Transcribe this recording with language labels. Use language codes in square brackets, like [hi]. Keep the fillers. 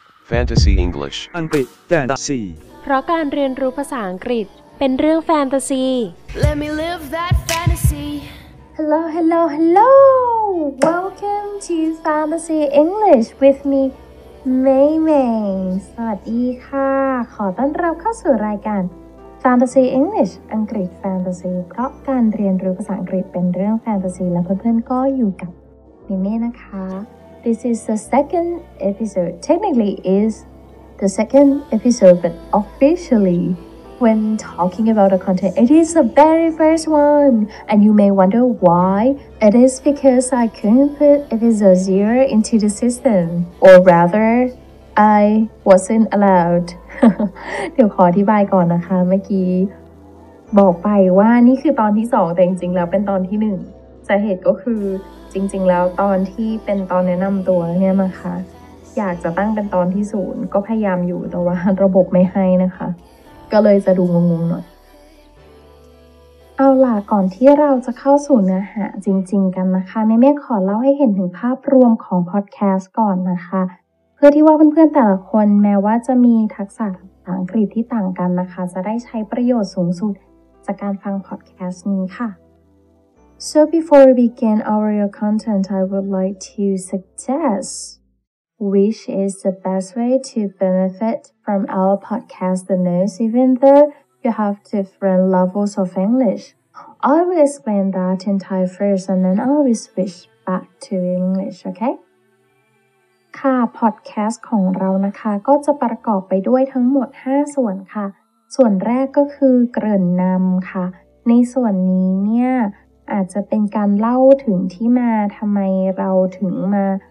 [th] Fantasy English อังกฤษแฟนตาซีเพราะการเรียนรู้ภาษาอังกฤษเป็นเรื่องแฟนตาซี [en] Let me live that fantasy Hello hello hello Welcome to Fantasy English with me May May [th] สวัสดีค่ะ ขอต้อนรับเข้าสู่รายการ Fantasy English อังกฤษแฟนตาซีเพราะการเรียนรู้ภาษาอังกฤษเป็นเรื่องแฟนตาซี และเพื่อนๆ ก็อยู่กับเมเม่นะคะ [en] this is the second episode. Technically, is the second episode, but officially, when talking about the content, it is the very first one. And you may wonder why. It is because I couldn't put episode zero into the system, or rather, I wasn't allowed. [th] เดี๋ยวขออธิบายก่อนนะคะ เมื่อกี้บอกไปว่า นี่คือตอนที่สองแต่จริงๆแล้วเป็นตอนที่หนึ่งสาเหตุก็คือจริงๆ แล้วตอนที่เป็นตอนแนะนําตัวเนี่ยนะคะอยากจะตั้งเป็นตอนที่ศูนย์ก็พยายามอยู่แต่ว่าระบบไม่ให้นะคะ ก็เลยจะดูงงๆหน่อย เอาล่ะก่อนที่เราจะเข้าสู่เนื้อหาจริง ๆกันนะคะ ในเมฆขอเล่าให้เห็นถึงภาพรวมของพอดแคสต์ก่อนนะคะ เพื่อที่ว่าเพื่อนๆแต่ละคนแม้ว่าจะมีทักษะภาษาอังกฤษที่ต่างกันนะคะ จะได้ใช้ประโยชน์สูงสุดจากการฟังพอดแคสต์นี้ค่ะ [en] So before we begin our content, I would like to suggest which is the best way to benefit from our podcast the most, even though you have different levels of English. I will explain that in Thai first and then I will switch back to English, okay? [th] ค่ะ podcast ของเรา นะคะ ก็จะประกอบไปด้วยทั้งหมด5 ส่วนค่ะ ส่วนแรกก็คือเกริ่นนำค่ะ ในส่วนนี้เนี่ยอาจจะเป็นการเล่าถึงที่มาทำไมเราถึงมา